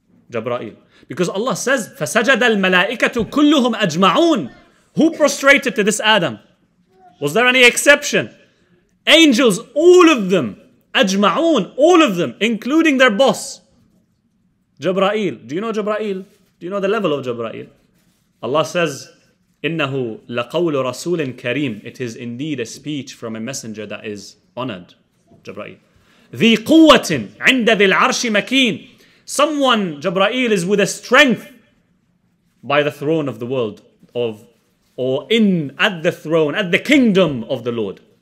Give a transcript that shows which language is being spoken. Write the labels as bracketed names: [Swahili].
[Arabic] Jabra'il. [English] Because Allah says, [Arabic] فَسَجَدَ الْمَلَائِكَةُ كُلُّهُمْ أَجْمَعُونَ, [English] Who prostrated to this Adam? Was there any exception? Angels, all of them, ajma'un, all of them, including their boss, Jibra'il. Do you know Jibra'il? Do you know the level of Jibra'il? Allah says, [Arabic] إِنَّهُ لَقَوْلُ رَسُولٍ كَرِيمٍ. [English] It is indeed a speech from a messenger that is honored, Jibra'il. [Arabic] ذِي قُوَّةٍ عِنْدَ ذِي الْعَرْشِ مَكِينٍ. [English] Someone, Jibra'il, is with a strength by the throne of the world, of or in at the throne, at the kingdom of the Lord.